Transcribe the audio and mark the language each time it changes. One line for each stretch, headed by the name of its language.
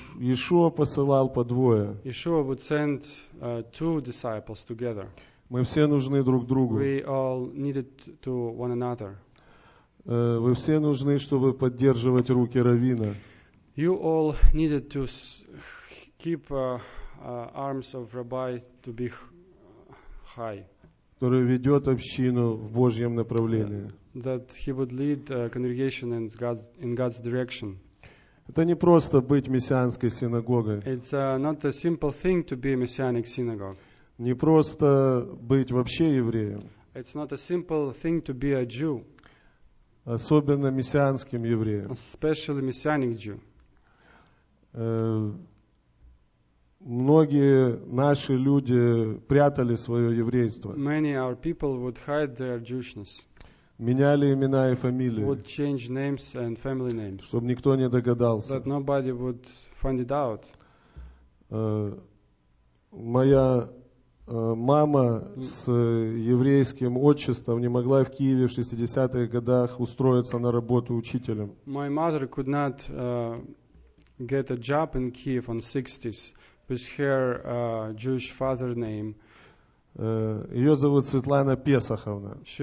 Russian: Yeshua посылал по двое.
English: Yeshua would send two disciples together.
Russian: Мы все нужны друг другу.
English: We all needed to one another.
Russian: Вы все нужны, чтобы поддерживать руки раввина.
English: You all needed to keep arms of rabbi to be high.
Russian: Который ведет общину в Божьем направлении.
English: That he would lead a congregation in God's direction.
Russian: Это не просто быть мессианской синагогой.
English: It's not a simple thing to be a messianic synagogue.
Russian: Не просто быть вообще евреем.
English: It's not a simple thing to be a Jew.
Russian: Особенно мессианским евреем.
English: Especially messianic Jew.
Russian: Многие наши люди прятали свое еврейство.
English: Many our people would hide their Jewishness.
Russian: Меняли имена и фамилии.
English: Would change names and family names.
Russian: Чтобы никто не догадался.
English: That nobody would find it out.
Russian: Моя мама с еврейским отчеством не могла в Киеве в 60-х годах устроиться на работу учителем.
English: My mother could not get a job in Kiev in the 60s with her Jewish father name.
Russian: Ее зовут Светлана Песаховна.